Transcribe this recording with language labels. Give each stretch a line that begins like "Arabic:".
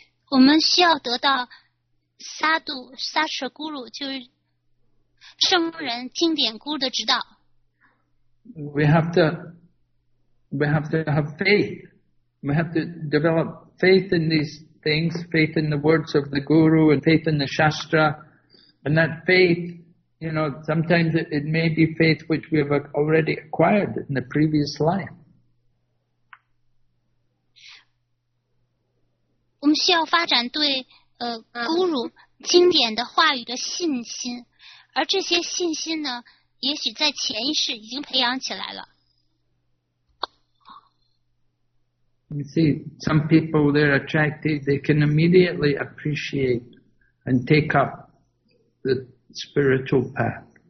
Chinese: 我们需要得到萨杜萨舍咕噜，就是圣人经典咕噜的指导。
English: We have to have faith. We have to develop faith in these things, faith in the words of the guru and faith in the shastra. And that faith, you know, sometimes it may be faith which we have already acquired in the previous life.
Chinese: 我们需要发展对guru 经典的话语的信心，而这些信心呢，也许在前一世已经培养起来了。
English: You see, some people they're attracted, they can immediately appreciate and take up the spiritual path.